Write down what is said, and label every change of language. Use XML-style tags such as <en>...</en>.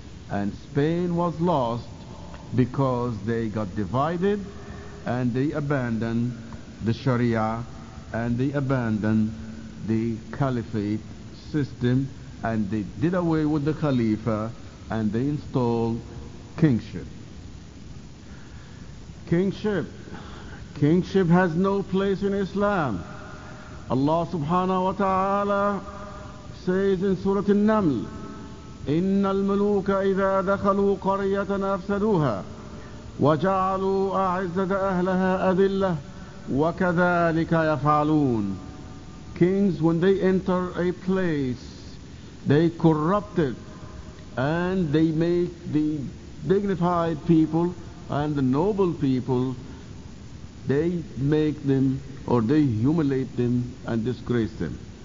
<en>And Spain was lost because they got divided and they abandoned the Sharia and they abandoned the caliphate system, and they did away with the Khalifa and they installed kingship. Kingship. Kingship has no place in Islam. Allah subhanahu wa ta'ala says in Surah An-Naml,</en> <ar>إِنَّ الْمُلُوكَ إِذَا دَخَلُوا قَرْيَةً أَفْسَدُوهَا وَجَعَلُوا أَعِزَّةَ أَهْلَهَا أَذِلَّةً وَكَذَلِكَ يَفْعَلُونَ.</ar> <en>Kings, when they enter a place, they corrupt it and they make the dignified people and the noble people, they make them, or they humiliate them and disgrace them.</en>